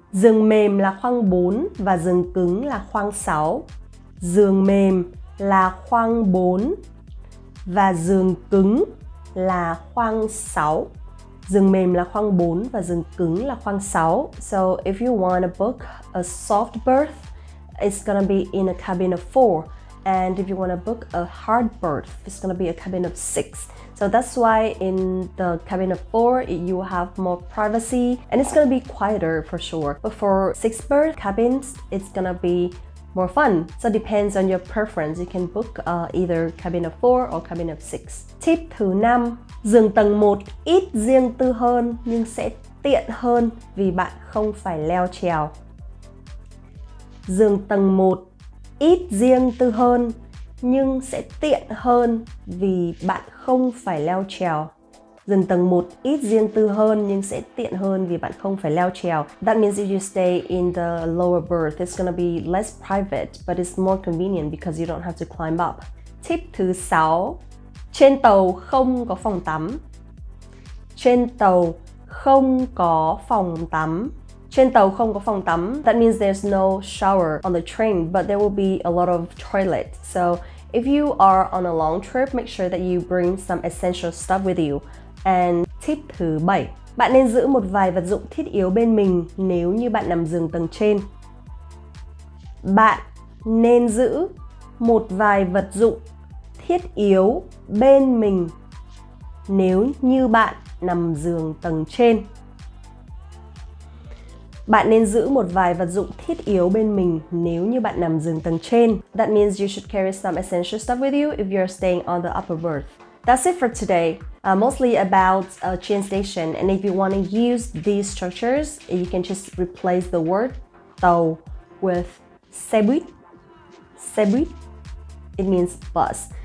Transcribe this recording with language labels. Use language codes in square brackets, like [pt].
[vi] Giường mềm là khoang 4 và giường cứng là khoang 6. Giường mềm là khoang 4 và giường cứng là khoang 6. Giường mềm là khoang 4 và giường cứng là khoang 6. [en] So if you want to book a soft berth, it's going to be in a cabin of 4. And if you want to book a hard berth, it's going to be a cabin of 6. So that's why in the cabin of 4, you have more privacy and it's going to be quieter for sure. But for 6 berth cabins, it's going to be more fun. So it depends on your preference. You can book either cabin of 4 or cabin of 6. [vi] Tip thứ 5, giường tầng 1 ít riêng tư hơn nhưng sẽ tiện hơn vì bạn không phải leo trèo. Giường tầng 1 ít riêng tư hơn nhưng sẽ tiện hơn vì bạn không phải leo trèo. Giường tầng 1 ít riêng tư hơn nhưng sẽ tiện hơn vì bạn không phải leo trèo. [en] That means if you stay in the lower berth, it's gonna be less private, but it's more convenient because you don't have to climb up. [vi] Tip thứ 6, trên tàu không có phòng tắm. Trên tàu không có phòng tắm. Trên tàu không có phòng tắm. [en] That means there's no shower on the train, but there will be a lot of toilet. So if you are on a long trip, make sure that you bring some essential stuff with you. [vi] And tip thứ 7, bạn nên giữ một vài vật dụng thiết yếu bên mình nếu như bạn nằm giường tầng trên. Bạn nên giữ một vài vật dụng thiết yếu bên mình nếu như bạn nằm giường tầng trên. Bạn nên giữ một vài vật dụng thiết yếu bên mình nếu như bạn nằm giường tầng trên. [en] That means you should carry some essential stuff with you if you're staying on the upper berth. That's it for today. Mostly about a train station. And if you want to use these structures, you can just replace the word tàu with xe buýt. Xe buýt. It means bus.